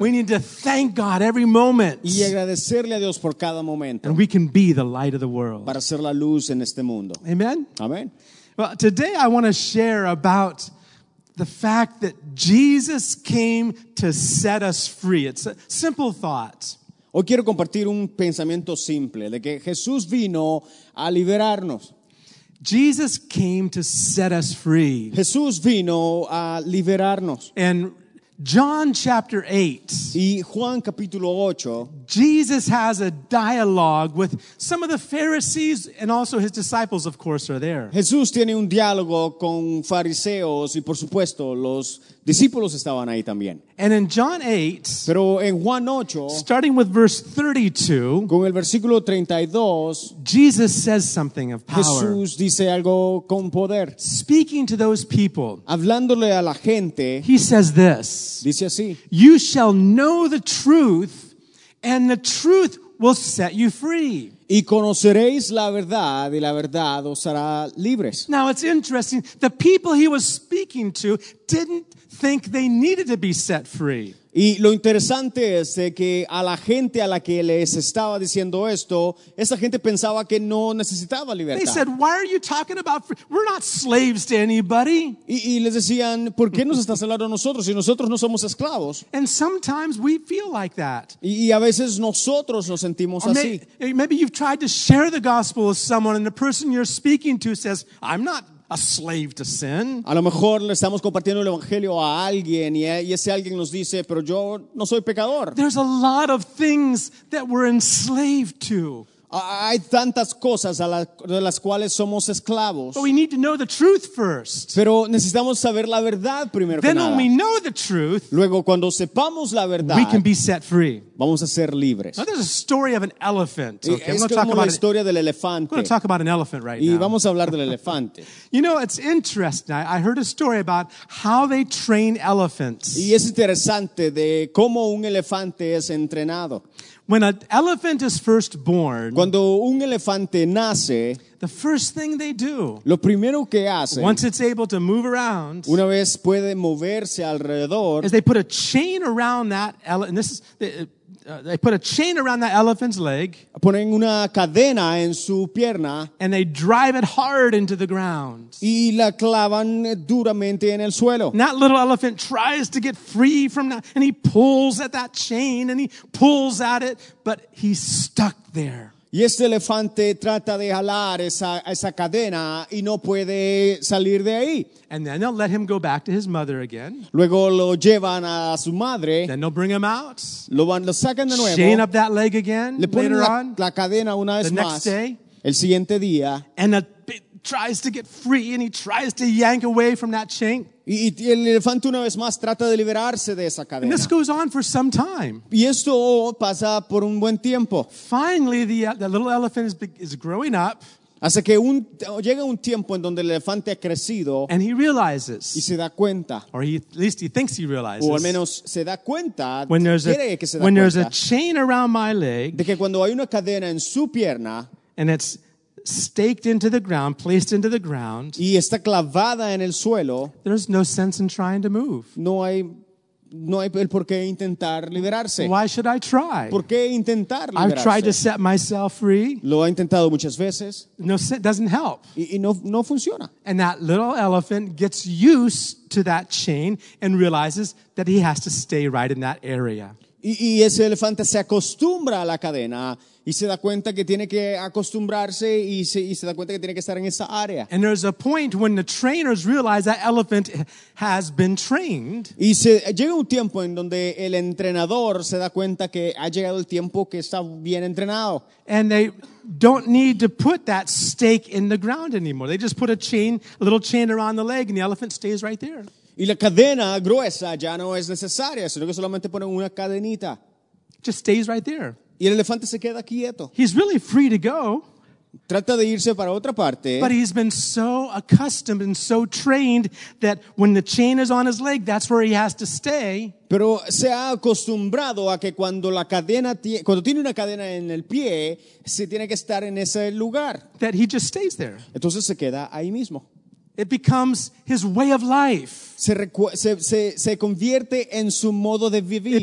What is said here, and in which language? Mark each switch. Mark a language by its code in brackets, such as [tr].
[en] We need to thank God every moment. [es] Y agradecerle a Dios por cada momento. [en] And we can be the light of the world. [es] Para ser la luz en este mundo. [en] Amen. [es] Amen. [en] Well, today I want to share about the fact that Jesus came to set us free. It's a simple thought. [es] Hoy quiero compartir un pensamiento simple de que Jesús vino a liberarnos. [en] Jesus came to set us free. [es] Jesús vino a liberarnos. [en] And John chapter 8. [es] Y Juan capítulo 8. [en] Jesus has a dialogue with some of the Pharisees, and also his disciples, of course, are there. [es] Jesús tiene un diálogo con fariseos, y por supuesto, los discípulos estaban ahí también. [en] And in John 8, [es] pero en Juan 8, [en] starting with verse 32, [es] con el versículo 32, [en] Jesus says something of power. [es] Jesús dice algo con poder. [en] Speaking to those people, [es] hablándole a la gente, [en] he says this. [es] Dice así: [en] "You shall know the truth, and the truth will set you free." [es] Y conoceréis la verdad, y la verdad os hará libres. [en] Now it's interesting. The people he was speaking to didn't think they needed to be set free. [es] Y lo interesante es que a la gente a la que les estaba diciendo esto, esa gente pensaba que no necesitaba libertad. [en] They said, "Why are you talking about free? We're not slaves to anybody." [es] Y les decían, "¿Por qué nos estás hablando a nosotros si nosotros no somos esclavos?" [en] And sometimes we feel like that. [es] Y a veces nosotros nos sentimos así. [en] Maybe you've tried to share the gospel with someone and the person you're speaking to says, "I'm not a slave to sin." [es] A lo mejor le estamos compartiendo el evangelio a alguien y ese alguien nos dice, pero yo no soy pecador. [en] There's a lot of things that we're enslaved to. [es] Hay tantas cosas de las cuales somos esclavos. [en] But we need to know the truth first. [es] Pero necesitamos saber la verdad primero. [en] Then [es] que [en] when we know the truth, [es] luego cuando sepamos la verdad, [en] we can be set free. [es] Vamos a ser libres. [en] Now there's a story of an elephant. Okay, [es] es como la historia del elefante. [en] We're going to talk about an elephant right [es] y [en] now. [es] Y vamos a hablar del elefante. [en] You know, it's interesting. I heard a story about how they train elephants. [es] Y es interesante de cómo un elefante es entrenado. [en] When an elephant is first born, [es] cuando un elefante nace, [en] the first thing they do, [es] lo primero que hacen, [en] once it's able to move around, [es] una vez puede moverse alrededor, [en] is they put a chain around that elephant. This is they put a chain around that elephant's leg. [es] Ponen una cadena en su pierna, [en] and they drive it hard into the ground. [es] Y la clavan duramente en el suelo. [en] And that little elephant tries to get free from that, and he pulls at that chain, and he pulls at it, but he's stuck there. [es] Y este elefante trata de jalar esa cadena y no puede salir de ahí. [en] And then they'll let him go back to his mother again. [es] Luego lo llevan a su madre. [en] Then they'll bring him out. [es] Lo sacan de nuevo. [en] Chain up that leg again. [es] Le ponen [en] later on, [es] la cadena una vez [en] the next [es] más. [en] Day, [es] el siguiente día. [en] And he tries to get free and he tries to yank away from that chain. [es] Y el elefante una vez más trata de liberarse de esa cadena. [en] And this goes on for some time. [es] Y esto pasa por un buen tiempo. [en] Finally, the little elephant is growing up. [es] Hasta que llega un tiempo en donde el elefante ha crecido. [en] And he realizes. [es] Y se da cuenta. [en] Or at least he thinks he realizes. [es] O al menos se da cuenta. [en] When there's [es] cuenta, [en] there's a chain around my leg. [es] De que cuando hay una cadena en su pierna. [en] And it's staked into the ground, placed into the ground. [es] Y está clavada en el suelo. [en] There's no sense in trying to move. [es] No hay el por qué intentar liberarse. [en] Why should I try? [es] ¿Por qué intentar liberarse? [en] I've tried to set myself free. [es] Lo he intentado muchas veces. [en] No, it doesn't help. [es] Y no funciona. [en] And that little elephant gets used to that chain and realizes that he has to stay right in that area. [es] Y ese elefante se acostumbra a la cadena y se da cuenta que tiene que acostumbrarse y se da cuenta que tiene que estar en esa área. [en] And there's a point when the trainers realize that elephant has been trained. [es] Y llega un tiempo en donde el entrenador se da cuenta que ha llegado el tiempo que está bien entrenado. [en] And they don't need to put that stake in the ground anymore. They just put a little chain around the leg and the elephant stays right there. [es] Y la cadena gruesa ya no es necesaria, sino que solamente ponen una cadenita. [en] Just stays right there. [es] Y el elefante se queda quieto. [en] He's really free to go. [es] Trata de irse para otra parte. [en] But he's been so accustomed and so trained that when the chain is on his leg, that's where he has to stay. [es] Pero se ha acostumbrado a que cuando tiene una cadena en el pie, se tiene que estar en ese lugar. [en] That he just stays there. [es] Entonces se queda ahí mismo. [en] It becomes his way of life. [es] Se convierte en su modo de vivir.